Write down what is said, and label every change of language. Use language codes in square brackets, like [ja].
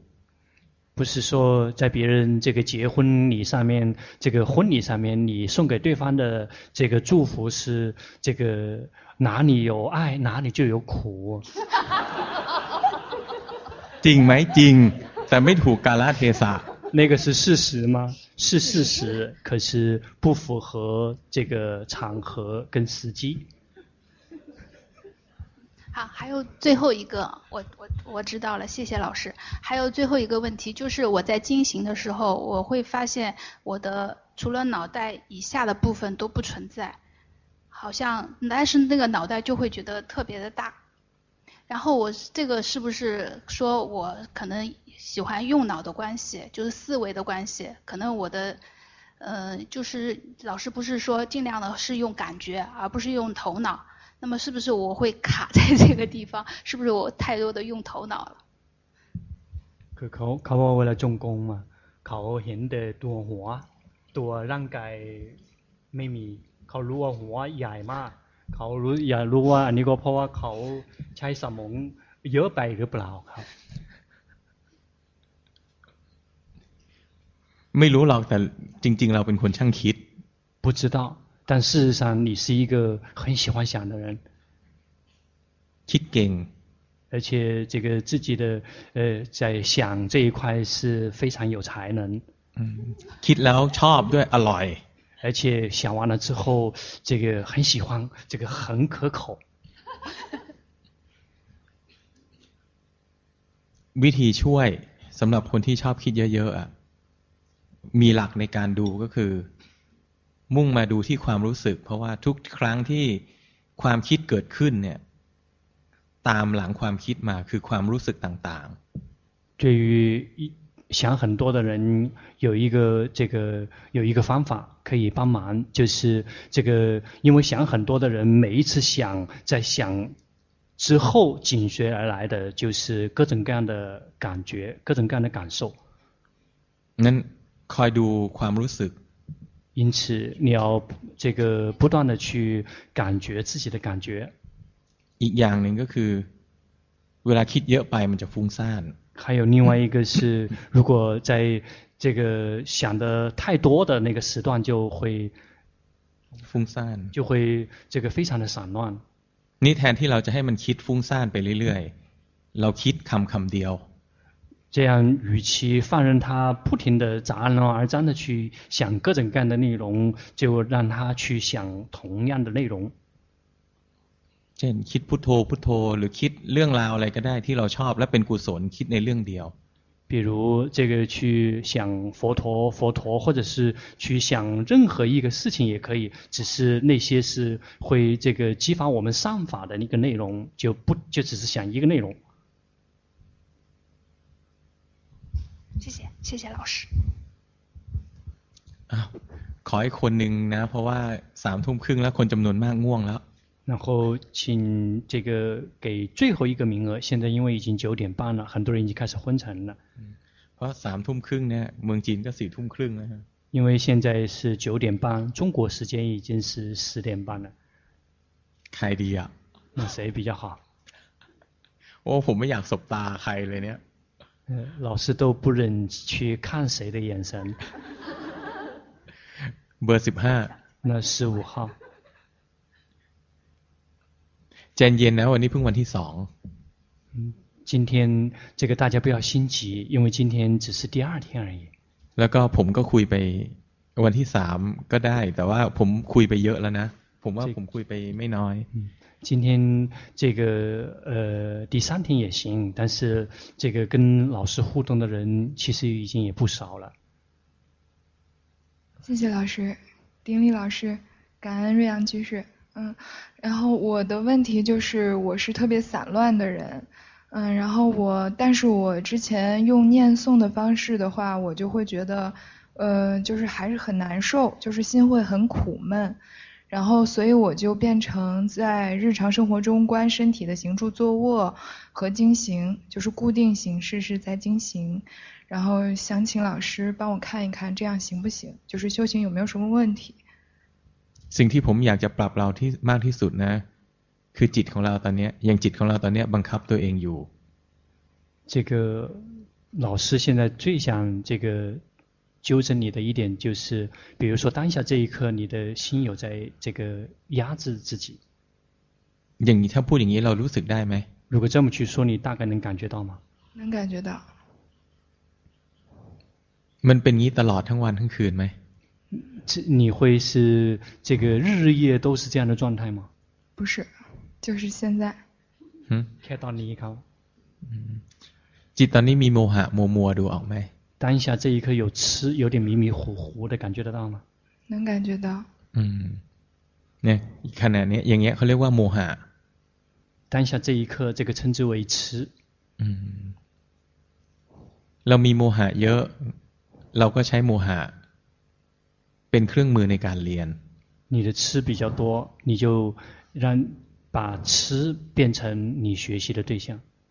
[zh] 不是说在别人这个结婚礼上面这个婚礼上面你送给对方的这个祝福是这个哪里有爱哪里就有苦 [th] จริงไหมจริงแต่ไม่ถูกกาลเทศะ [zh] 那个是事实吗是事实可是不符合这个场合跟时机好还有最后一个我知道了谢谢老师还有最后一个问题就是我在进行的时候我会发现我的除了脑袋以下的部分都不存在好像但是那个脑袋就会觉得特别的大然后我这个是不是说我可能喜欢用脑的关系就是思维的关系可能我的就是老师不是说尽量的是用感觉而不是用头脑那么是不是我会卡在这个地方是不是我太多的用头脑了 [th] เขาว่าเวลาจงกรมเขาเห็นแต่ตัวหัวตัวร่างกายไม่มีเขารู้ว่าหัวใหญ่มากเขารู้อยากรู้ว่าอันนี้ก็เพราะว่าเขาใช้สมองเยอะไปหรือเปล่าครับ ไม่รู้หรอกแต่จริงๆเราเป็นคนช่างคิด [zh] 不知道但事实上你是一个很喜欢想的人 [th] คิดเก่ง [zh] 而且这个自己的在想这一块是非常有才能 [th] คิดแล้วชอบด้วยอร่อย [zh] 而且想完了之后这个很喜欢这个很可口 [th] วิธีช่วยสำหรับคนที่ชอบคิดเยอะๆอ่ะมีหลักในการดูก็คือมุ่งมาดูที่ความรู้สึกเพราะว่าทุกครั้งที่ความคิดเกิดขึ้นเนี่ยตามหลังความคิดมาคือความรู้สึกต่าง [zh] ๆ对于想很多的人有一个这个有一个方法可以帮忙就是这个因为想很多的人每一次想在想之后紧随而来的就是各种各样的感觉各种各样的感受 [th] 那คอยดูความรู้สึก [zh] 因此你要这个不断的去感觉自己的感觉 [th] อีกอย่างหนึ่งก็คือเวลาคิดเยอะไปมันจะฟุ้งซ่าน [zh] 还有另外一个是如果在这个想的太多的那个时段就会 [th] ฟุ้งซ่าน [zh] 就会这个非常的散乱 [th] นี่แทนที่เราจะให้มันคิดฟุ้งซ่านไปเรื่อยๆเราคิดคำเดียว [zh] 这样与其放任他不停的杂乱而脏的去想各种各样的内容就让他去想同样的内容 [th] เช่นคิดพุทโธพุทโธหรือคิดเรื่องราวอะไรก็ได้ที่เราชอบและเป็นกุศลคิดในเรื่องเดียว [zh] 比如这个去想佛陀佛陀或者是去想任何一个事情也可以只是那些是会这个激发我们善法的那个内容就不就只是想一个内容谢谢老师 [th] 啊ขออีกคนหนึ่งนะเพราะว่าสามทุ่มครึ่งแล้วคนจำนวนมากง่วงแล้ว [zh] 然后请这个给最后一个名额现在因为已经九点半了很多人已经开始昏沉了 [th] เพราะสามทุ่มครึ่งเนี่ยเมืองจีนก็สี่ทุ่มครึ่งแล้ว [zh] 因为现在是九点半中国时间已经是十点半了 [th] ใครดีอ่ะ [zh] 那谁比较好 [th] โอ้ผมไม่อยากสบตาใครเลยเนี่ย [zh] 老师都不忍去看谁的眼神 [th] เบอร์สิบห้า [zh] 那十五号 [th] ใจเย็นนะวันนี้เพิ่งวันที่สอง [zh] 今天这个大家不要心急因为今天只是第二天而已 [th] แล้วก็ผมก็คุยไปวันที่สามก็ได้แต่ว่าผมคุยไปเยอะแล้วนะผมว่าผมคุยไปไม่น้อย [zh] 今天这个第三天也行但是这个跟老师互动的人其实已经也不少了谢谢老师丁力老师感恩瑞阳居士然后我的问题就是我是特别散乱的人然后我但是我之前用念诵的方式的话我就会觉得就是还是很难受就是心会很苦闷然后所以我就变成在日常生活中观身体的行住坐卧和经行就是固定形式是在经行然后想请老师帮我看一看这样行不行就是修行有没有什么问题 [th] สิ่งที่ผมอยากจะปรับเราที่มากที่สุดนะคือจิตของเราตอนนี้อย่างจิตของเราตอนนี้บังคับตัวเองอยู่ [zh] 这个老师现在最想这个纠正你的一点就是比如说当下这一刻你的心有在这个压制自己 [th] อย่างนี้ถ้าพูดอย่างนี้เรารู้สึกได้ไหม [zh] 如果这么去说你大概能感觉到吗能感觉到 [th] มันเป็นงี้ตลอดทั้งวันทั้งคืนไหม [zh] 你会是这个日日夜都是这样的状态吗不是就是现在 [th] แค่ตอนนี้ครับ จิตตอนนี้มีโมหะมัวมัวดูออกไหม [zh] 当下这一刻有痴有点迷迷糊糊的感觉得到吗能感觉到你看呢 [th] อย่างเงี้ยเขาเรียกว่าโมหะ [zh] 当下这一刻这个称之为痴 [th] เรามีโมหะเยอะเราก็ใช้โมหะเป็นเครื่องมือในการเรียน [zh] 你的痴比较多你就让把痴变成你学习的对象